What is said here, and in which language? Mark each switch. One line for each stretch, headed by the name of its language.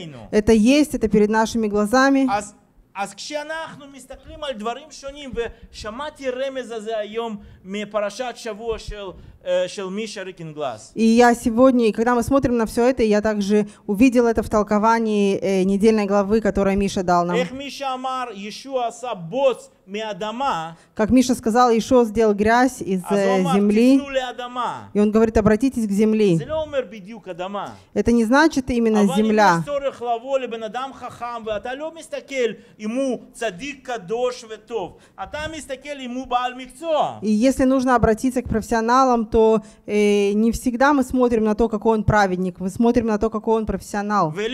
Russian: Это есть, это перед нашими глазами.
Hebrew: אז כשאנחנו מסתכלים על דברים שונים ושמעתי רמז הזה היום מפרשת שבוע של מישה ריקנגלס.
Russian: И я сегодня, когда мы смотрим на все это, я также увидел это в толковании недельной главы, которую Миша дал нам.
Hebrew: Эх, Миша אמר, Йешуа עשה בוץ מאדמה.
Russian: Как Миша сказал, Йешуа сделал грязь из земли.
Hebrew: אז הוא אמר, תפנו לאדמה.
Russian: И он говорит, обратитесь к земле.
Hebrew: זה לא אומר בדיוק אדמה.
Russian: Это не значит именно земля.
Hebrew: אבל יש צורך לבוא לבן אדם חכם, ואתה לא מסתכל
Russian: ему
Hebrew: צדיק קדוש וטוב. אתה מסתכל
Russian: ему
Hebrew: בעל מקצוע.
Russian: И если нужно обратиться к профессионалам, то не всегда мы смотрим на то, какой он праведник, мы смотрим на то, какой он профессионал.